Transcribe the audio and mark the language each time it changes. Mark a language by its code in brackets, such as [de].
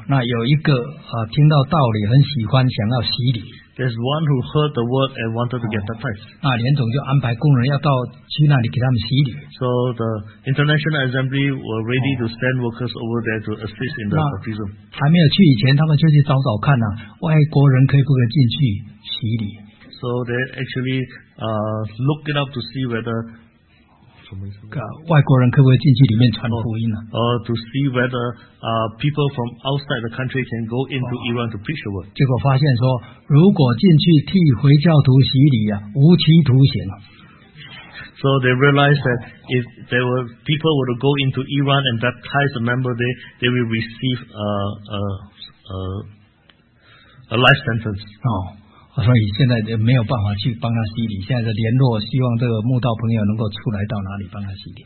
[zh] 那有一个听到道理很喜欢想要洗礼。 [en] There's one who heard the word and wanted to get baptized. [zh] 那联总就安排工人要到去那里给他们洗礼。 [en] So the International Assembly were ready to send workers over there to assist in the baptism. [zh] 还没有去以前，他们就去找找看外国人可以不可以进去洗礼。 [en] So they actually looked it up to see whether [zh] 外国人可不可以进去里面传福音 [en] To see whether people from outside the country can go into Iran to preach the word. [zh] 结果发现说，如果进去替回教徒洗礼无期徒刑。 [en] So they realized that if there were people were to go into Iran and baptize a member, they will receive a life sentence. [zh] 所以现在没有办法去帮他洗礼，现在联络希望这个慕道朋友能够出来到哪里帮他洗礼。